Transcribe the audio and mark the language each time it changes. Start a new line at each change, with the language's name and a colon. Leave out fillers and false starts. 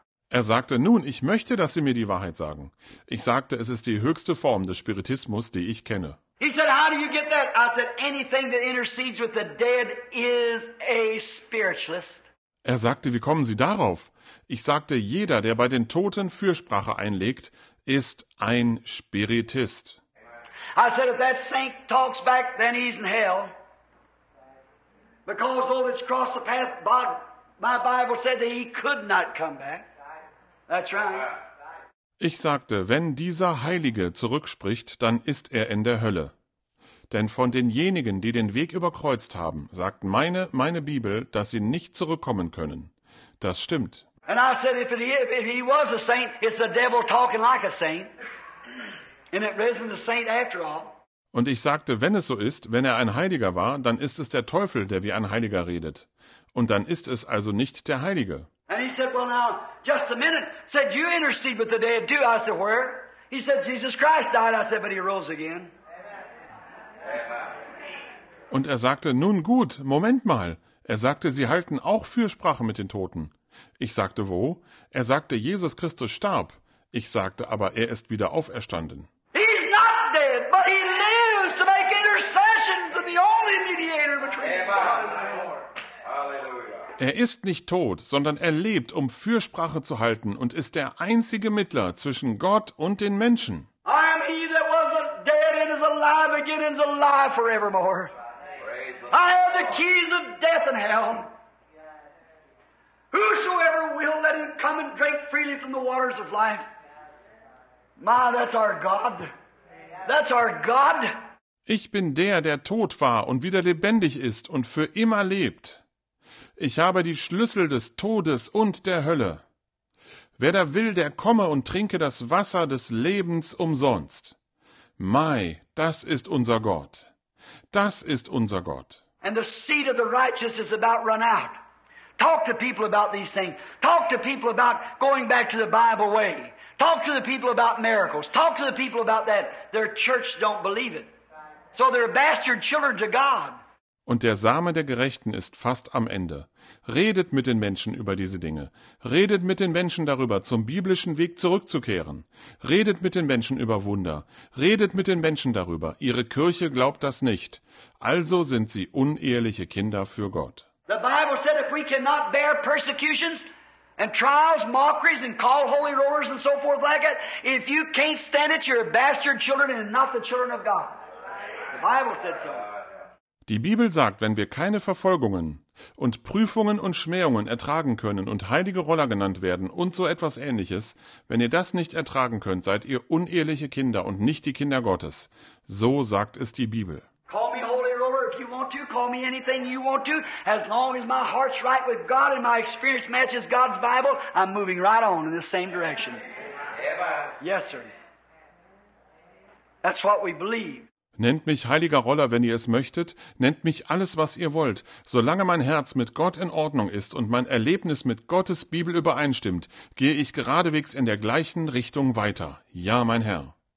German: Er sagte, nun, ich möchte, dass Sie mir die Wahrheit sagen. Ich sagte, es ist die höchste Form des Spiritismus, die ich kenne.
English: He said, how do you get that? I said, anything that intercedes with the dead is a spiritualist.
German: Er sagte, wie kommen Sie darauf? Ich sagte, jeder, der bei den Toten Fürsprache einlegt, ist ein Spiritist.
English: I said, if that saint talks back, then he's in hell. Because though it's crossed the path, my Bible said that he could not come back. That's right.
German: Ich sagte, wenn dieser Heilige zurückspricht, dann ist er in der Hölle. Denn von denjenigen, die den Weg überkreuzt haben, sagt meine Bibel, dass sie nicht zurückkommen können. Das stimmt.
English: And I said, if he was a saint, it's the devil talking like a saint. And it risen the saint after all.
German: Und ich sagte, wenn es so ist, wenn er ein Heiliger war, dann ist es der Teufel, der wie ein Heiliger redet. Und dann ist es also nicht der Heilige.
English: And he said, well now, just a minute. Said, you intercede with the dead too. I said, where? He said, Jesus Christ died. I said, but he rose again.
German: Und er sagte, nun gut, Moment mal. Er sagte, Sie halten auch Fürsprache mit den Toten. Ich sagte, wo? Er sagte, Jesus Christus starb. Ich sagte, aber er ist wieder auferstanden.
English: He's not dead, but he lives to make intercession to the only mediator between God and the Lord.
German: Er ist nicht tot, sondern er lebt, um Fürsprache zu halten und ist der einzige Mittler zwischen Gott und den Menschen.
English: I am he that was dead and is alive again and is alive forevermore. I have the keys of death and hell. Whosoever will, let him come and drink freely from the waters of life. My, that's our God. That's our God.
German: Ich bin der tot war und wieder lebendig ist und für immer lebt. Ich habe die Schlüssel des Todes und der Hölle. Wer da will, der komme und trinke das Wasser des Lebens umsonst. My, das ist unser Gott. Das ist unser Gott.
English: And the seed of the righteous is about run out. Talk to people about these things. Talk to people about going back to the Bible way. Talk to the people about miracles. Talk to the people about that. Their church don't believe it. So they're bastard children to God.
German: Und der Same der Gerechten ist fast am Ende. Redet mit den Menschen über diese Dinge. Redet mit den Menschen darüber, zum biblischen Weg zurückzukehren. Redet mit den Menschen über Wunder. Redet mit den Menschen darüber. Ihre Kirche glaubt das nicht. Also sind sie uneheliche Kinder für Gott.
English: The Bible said if we cannot bear persecutions and trials, mockeries and call holy rollers and so forth like that, if you can't stand it, you're bastard children and not the children of God. The Bible said so.
German: Die Bibel sagt, wenn wir keine Verfolgungen und Prüfungen und Schmähungen ertragen können und heilige Roller genannt werden und so etwas Ähnliches, wenn ihr das nicht ertragen könnt, seid ihr uneheliche Kinder und nicht die Kinder Gottes. So sagt es die Bibel.
English: Call me holy roller if you want to, call me anything you want to, as long as my heart's right with God and my experience matches God's Bible, I'm moving right on in the same direction. Yes, sir. That's what we believe.
German: Nennt mich heiliger Roller, wenn ihr es möchtet, nennt mich alles, was ihr wollt. Solange mein Herz mit Gott in Ordnung ist und mein Erlebnis mit Gottes Bibel übereinstimmt, gehe ich geradewegs in der gleichen Richtung weiter. Ja, mein Herr.